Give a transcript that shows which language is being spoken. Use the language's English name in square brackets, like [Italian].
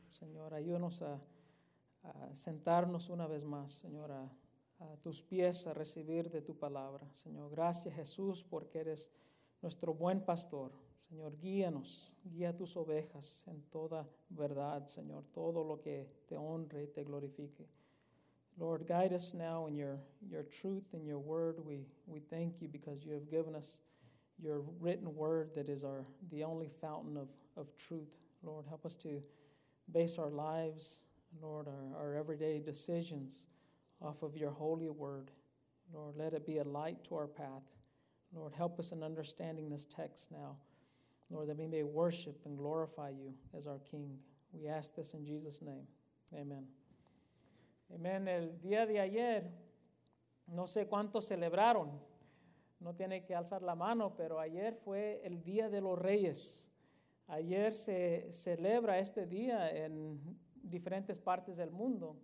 [Spanish] Señor, ayúdanos a sentarnos una vez más, Señor, a tus pies, a recibir de tu palabra. Señor, gracias, Jesús, porque eres nuestro buen pastor. Señor, guíanos, guía tus ovejas en toda verdad, Señor, todo lo que te honre y te glorifique. [English] Lord, guide us now in your truth and your word. We thank you because you have given us your written word that is the only fountain of truth. Lord, help us to base our lives, Lord, our everyday decisions off of your holy word. Lord, let it be a light to our path. Lord, help us in understanding this text now. Lord, that we may worship and glorify you as our King. We ask this in Jesus' name. Amen. Amén. [Spanish] El día de ayer, no sé cuántos celebraron, no tiene que alzar la mano, pero ayer fue el Día de los Reyes. Ayer se celebra este día en diferentes partes del mundo.